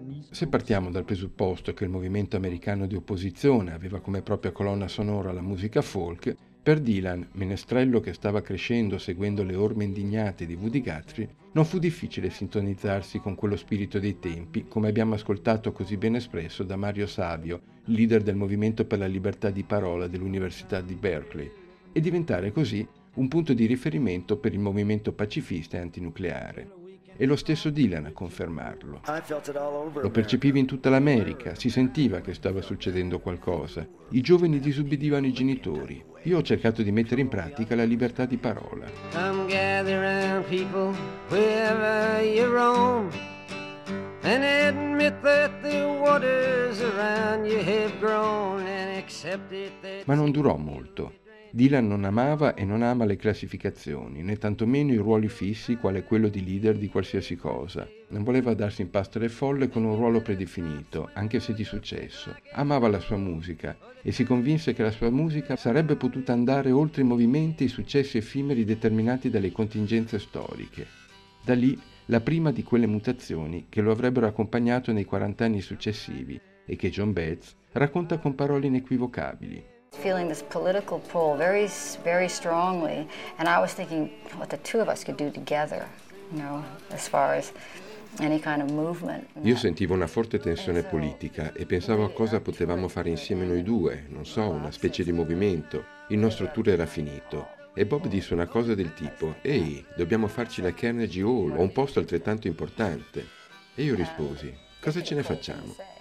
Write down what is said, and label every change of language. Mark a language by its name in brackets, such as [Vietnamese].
[Italian] Se partiamo dal presupposto che il movimento americano di opposizione aveva come propria colonna sonora la musica folk, per Dylan, menestrello che stava crescendo seguendo le orme indignate di Woody Guthrie, non fu difficile sintonizzarsi con quello spirito dei tempi, come abbiamo ascoltato così ben espresso da Mario Savio, leader del Movimento per la Libertà di Parola dell'Università di Berkeley, e diventare così un punto di riferimento per il movimento pacifista e antinucleare. E lo stesso Dylan a confermarlo. Lo percepivi in tutta l'America, si sentiva che stava succedendo qualcosa. I giovani disubbidivano i genitori. Io ho cercato di mettere in pratica la libertà di parola. [English] Come gather around people wherever you roam and admit that the waters around you have grown and accept it that... [Italian] Ma non durò molto. Dylan non amava e non ama le classificazioni, né tantomeno i ruoli fissi, quale quello di leader di qualsiasi cosa. Non voleva darsi in pasto alle folle con un ruolo predefinito, anche se di successo. Amava la sua musica e si convinse che la sua musica sarebbe potuta andare oltre i movimenti e i successi effimeri determinati dalle contingenze storiche. Da lì, la prima di quelle mutazioni che lo avrebbero accompagnato nei 40 anni successivi e che John Betts racconta con parole inequivocabili. [English] Feeling this political pull very, very strongly, and I was thinking what the two of us could do together, you know, as far as any kind of movement. [Italian] Io sentivo una forte tensione politica e pensavo a cosa potevamo fare insieme noi due, non so, una specie di movimento. Il nostro tour era finito. E Bob disse una cosa del tipo: ehi, dobbiamo farci la Carnegie Hall o un posto altrettanto importante. E io risposi: cosa ce ne facciamo?